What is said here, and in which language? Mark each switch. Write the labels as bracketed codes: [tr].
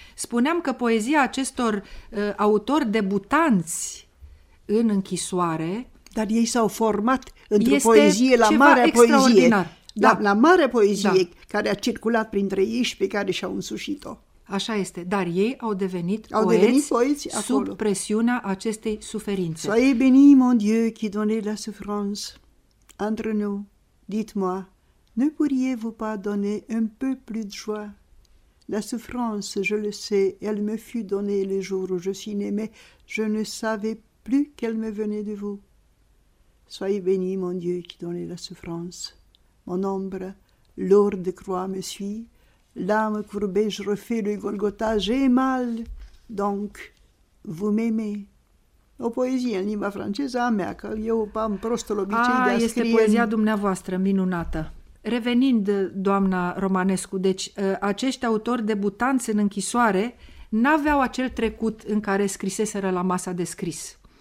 [ro] Spuneam că poezia acestor autori debutanți în închisoare, dar ei s-au format într-o poezie, la marea poezie, da, la marea poezie, da, care a circulat printre ei și pe care și-au însușit-o. Așa este, dar ei au devenit, poeți acolo, sub presiunea acestei suferințe. [fr] Soyez béni, mon Dieu, qui donne la souffrance. Entre nous, dites-moi, ne pourriez-vous pas donner un peu plus de joie? La souffrance, je le sais, elle me fut donnée le jour où je suis née, mais je ne savais plus qu'elle me venait de vous. Soyez béni, mon Dieu, qui donne la souffrance. Mon ombre, lourde croix, me suit. L'âme courbée, je refais le Golgotha. J'ai mal, donc, vous m'aimez. [ro] O poezie în limba franceză a mea, că eu am prostul obicei de a scrie. Este poezia dumneavoastră, minunată. Revenind, doamna Romanescu, deci acești autori debutanți în închisoare n-aveau acel trecut în care scriseseră la masa de scris.